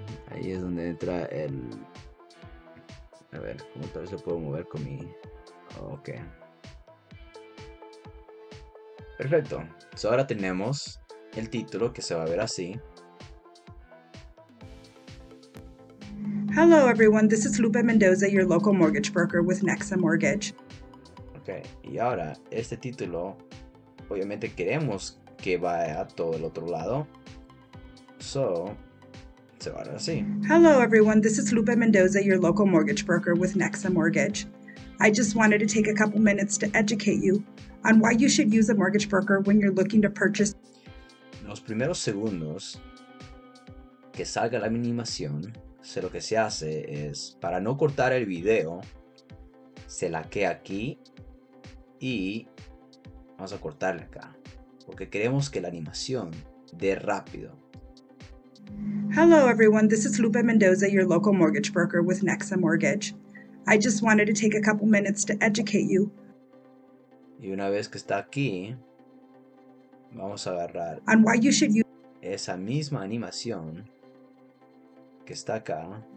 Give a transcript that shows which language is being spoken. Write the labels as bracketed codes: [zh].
[es] Ahí es donde entra el... A ver, ¿cómo tal vez lo puedo mover con mi...? Ok. Perfecto. So ahora tenemos el título que se va a ver así. [en] Hello everyone, this is Lupe Mendoza, your local mortgage broker with Nexa Mortgage. [es] Ok, y ahora este título, obviamente queremos que vaya a todo el otro lado. So, se va a ver así. [en] Hello everyone, this is Lupe Mendoza, your local mortgage broker with Nexa Mortgage. I just wanted to take a couple minutes to educate you on why you should use a mortgage broker when you're looking to purchase. [es] Los primeros segundos que salga la animación, se lo que se hace es, para no cortar el video, se laquea aquí y vamos a cortarle acá. Porque queremos que la animación dé rápido. [en] Hello everyone, this is Lupe Mendoza, your local mortgage broker with Nexa Mortgage. I just wanted to take a couple minutes to educate you. [es] Y una vez que está aquí, vamos a agarrar [en] on why you should use [es] esa misma animación que está acá.